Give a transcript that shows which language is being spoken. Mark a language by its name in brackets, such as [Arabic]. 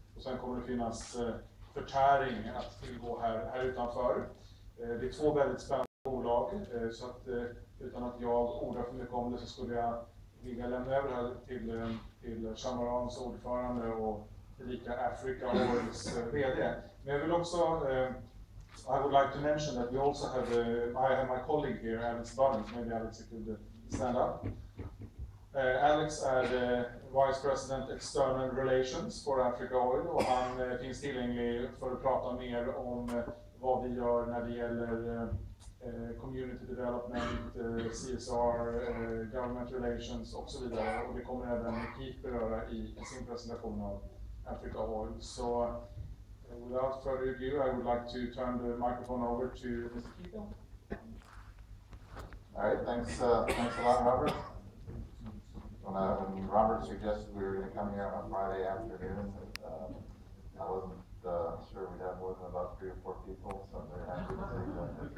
[Swedish] Och sen kommer det finnas förtäring att tillgå här utanför. Det är två väldigt spännande bolag. Så att utan att jag ordar för mycket om det, så skulle jag vilja lämna över här till Chamorans ordförande och tillika Africa Oils VD. Men jag vill också, [English] I would like to mention that we also have, I have my colleague here, Alex Barnes. Maybe Alex could stand up. [Swedish] Alex är [English] Vice President External Relations for Africa Oil, [Swedish] och han finns tillgänglig för att prata mer om vad vi gör när det gäller community development, CSR, government relations och så vidare. Och det kommer även Keith beröra i sin presentation av Africa Oil. [English] So, without further ado, I would like to turn the microphone over to Mr. Keith. All right, thanks a lot, Robert. When Robert suggested we were going to come here on Friday afternoon, I wasn't sure we'd have more than about three or four people, so I'm very happy to see that.